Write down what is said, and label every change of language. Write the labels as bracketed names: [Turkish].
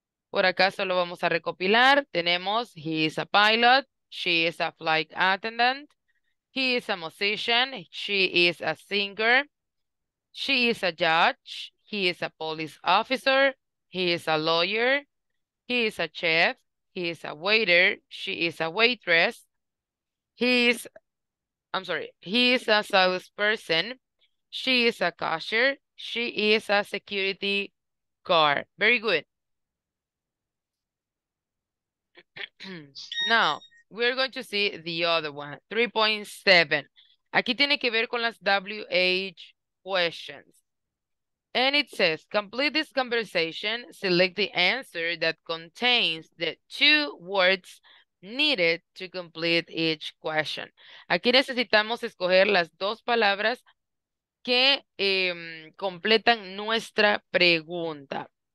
[Spanish] Por acá solo vamos a recopilar. Tenemos, [English] he is a pilot, she is a flight attendant, he is a musician, she is a singer, she is a judge, he is a police officer, he is a lawyer, he is a chef, he is a waiter, she is a waitress, he is a salesperson, she is a cashier, she is a security guard. Very good. Now, we're going to see the other one, 3.7. [Spanish] Aquí tiene que ver con las WH questions. [English] And it says, complete this conversation, select the answer that contains the two words needed to complete each question. [Spanish] Aquí necesitamos escoger las dos palabras que completan nuestra pregunta.